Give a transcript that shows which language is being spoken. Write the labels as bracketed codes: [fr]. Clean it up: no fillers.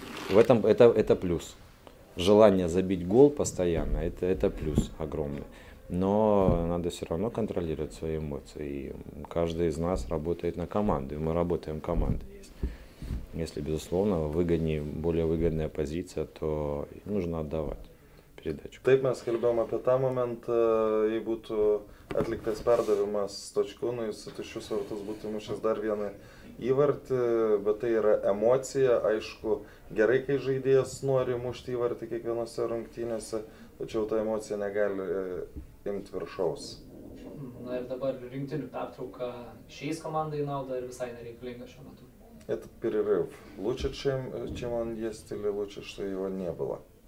[ru] Это плюс. Желание забить гол постоянно, это плюс огромный. Но надо все равно контролировать свои эмоции. И каждый из нас работает на команду. И мы работаем командой. Если, безусловно, выгоднее, более выгодная позиция, то нужно отдавать передачу. [lt] Taip, mes kalbėjom apie tą momentą, jei būtų atliktas perdavimas točku, nu, jis atiščius vartus būtų mušęs dar vieną įvartį, bet tai yra emocija, aišku, gerai, kai žaidėjas nori mušti įvartį kiekvienose rungtynėse, tačiau ta emocija negali imti viršaus. Na ir dabar rinktinių pertrauka šiais komandai naudą ir visai nereikalinga šiuo metu. [ru] Этот перерыв лучше, чем он есть, или лучше, что его не было?